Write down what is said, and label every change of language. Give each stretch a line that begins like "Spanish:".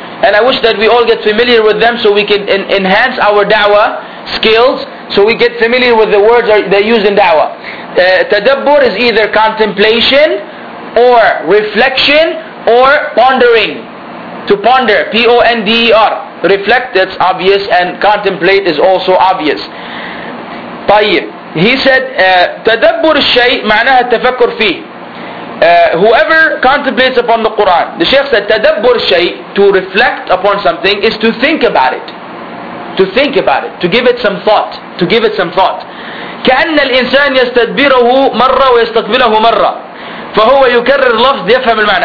English: And I wish that we all get familiar with them so we can enhance our da'wah skills, so we get familiar with the words they use in da'wah. Tadabbur is either contemplation or reflection or pondering. To ponder, P-O-N-D-E-R. Reflect, that's obvious, and contemplate is also obvious.
Arabic: طيب.
English: He said,
Arabic: تدبر الشيء معناها التفكر فيه.
English: Whoever contemplates upon the Quran, the Shaykh said,
Arabic: تدبر الشيء,
English: to reflect upon something, is to think about it. To think about it, to give it some thought, to give it some thought.
Arabic: كأن الإنسان يستدبره مرة ويستقبله مرة. فهو يكرر لفظ يفهم المعنى.